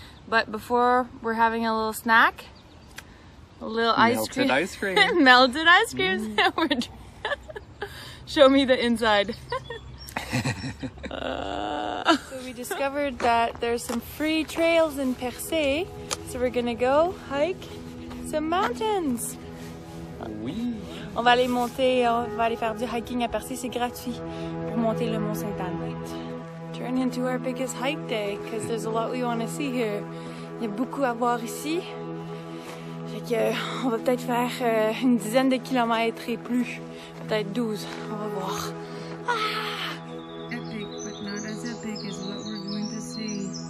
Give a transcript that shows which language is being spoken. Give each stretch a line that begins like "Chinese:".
English: But before, we're having a little snack. A little melted ice cream. Melted ice cream sandwich. Show me the inside. So we discovered that there's some free trails in Percé. So we're gonna go hike some mountains.
French: Oui. On va aller monter, on va aller faire du hiking à Percé, c'est gratuit pour monter le Mont Saint-Anne.
English: Turn into our biggest hike day, because there's a lot we want to see here.
French: Il y a beaucoup à voir ici. Fait que, on va peut-être faire une dizaine de kilomètres et plus. Peut-être 12, on va voir. Ah!
English: Epic, but not as epic as what we're going to see.